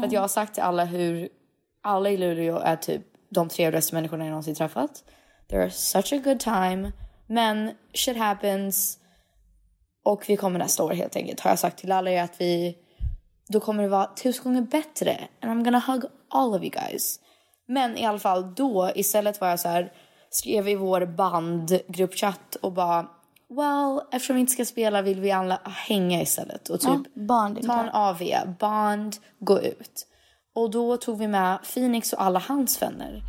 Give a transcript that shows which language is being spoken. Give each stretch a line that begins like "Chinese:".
Swedish: För att jag har sagt till alla hur alla i Luleå är typ de trevligaste människorna jag någonsin träffat.
English: They're such a good time. Men shit happens.
Swedish: Och vi kommer nästa år helt enkelt. Har jag sagt till alla att vi... Då kommer det vara 1000 gånger bättre.
English: And I'm gonna hug all of you guys.
Swedish: Men i alla fall då, istället var jag så här, skrev i vår bandgruppchatt och bara... Well, eftersom vi inte ska spela vill vi alla hänga istället. Och typ ta en AV. Bond, gå ut. Och då tog vi med Phoenix och alla hans vänner.